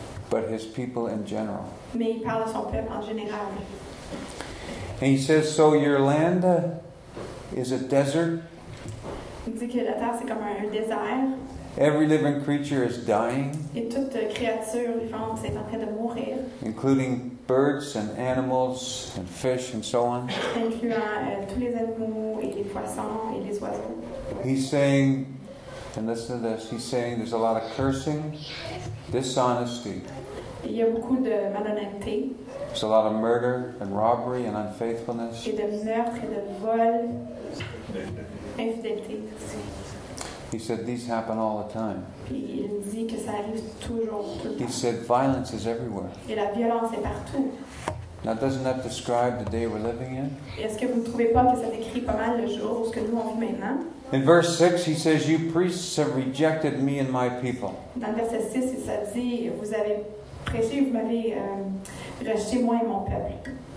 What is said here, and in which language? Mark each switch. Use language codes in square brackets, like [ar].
[en] But his people in general. And he says, so your land is a desert. [fr] Il dit que la terre, c'est comme un désert. [en] Every living creature is dying. [fr] Et toute créature vivante est en train de mourir. [en] Including birds and animals and fish and so on. [fr] Incluant tous les animaux et les poissons et les oiseaux. [en] He's saying, and listen to this, he's saying there's a lot of cursing, dishonesty. [fr] Il y a beaucoup de malhonnêteté. [en] There's a lot of murder and robbery and unfaithfulness. [fr] Et de meurtre et de vol. Infidélité aussi. [en] He said, these happen all the time. He said, violence is everywhere. [fr] Et la violence est partout. [en] Now, doesn't that describe the day we're living in? In verse 6, he says, you priests have rejected me and my people. [fr] Dans verset 6, il s'est dit, vous avez prêché, vous m'avez rejeté, moi et mon peuple.